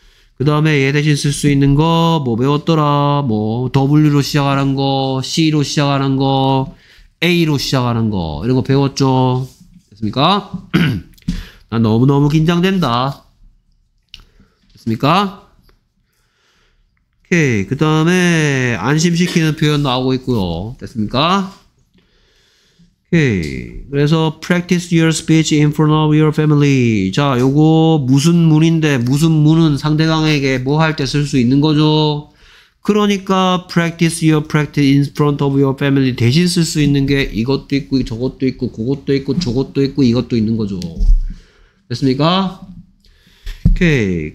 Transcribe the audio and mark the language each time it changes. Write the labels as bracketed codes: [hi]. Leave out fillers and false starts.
[ko] 그 다음에 얘 대신 쓸 수 있는 거 뭐 배웠더라. 뭐 W로 시작하는 거, C로 시작하는 거, A로 시작하는 거 이런 거 배웠죠. 됐습니까? 난 너무너무 긴장된다. 됐습니까? 오케이. 그 다음에 안심시키는 표현 나오고 있고요. 됐습니까? 오케이. [en] 그래서 practice your speech in front of your family. [ko] 자, 요거 무슨 문인데 무슨 문은 상대방에게 뭐 할 때 쓸 수 있는 거죠? 그러니까 [en] practice your practice in front of your family [ko] 대신 쓸 수 있는 게 이것도 있고 저것도 있고 그것도 있고 저것도 있고 이것도 있는 거죠. 됐습니까? 오케이.